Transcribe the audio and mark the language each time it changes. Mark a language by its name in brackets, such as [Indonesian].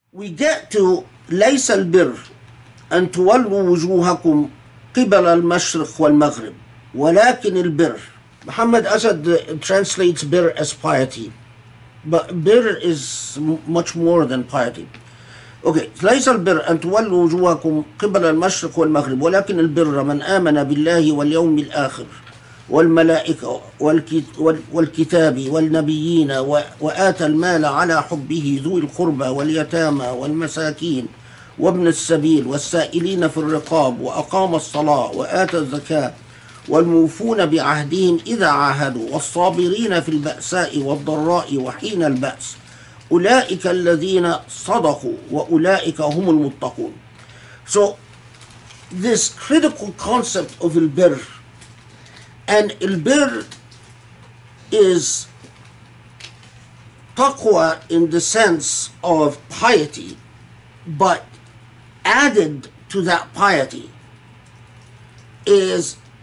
[English] We get to [Arabic] ليس البر أن تولوا وجوهكم قبل المشرق والمغرب ولكن البر. [English] Muhammad Asad translates birr as piety, but birr is much more than piety. [Arabic] Okay, ليس البر أن تولوا وجوهكم قبل المشرق والمغرب ولكن البر من آمن بالله واليوم الآخر والملائكة والكتاب والنبيين وآتى المال على حبه ذوي القربى واليتامى والمساكين وابن السبيل والسائلين في الرقاب وأقام الصلاة وآتى الزكاة والموفون بعهدهم إذا عاهدوا والصابرين في البأساء والضراء وحين البأس أولئك الذين صدقوا وأولئك هم المتقون. [English] So this critical concept of البر, and البر is taqwa in the sense of piety, but added to that piety is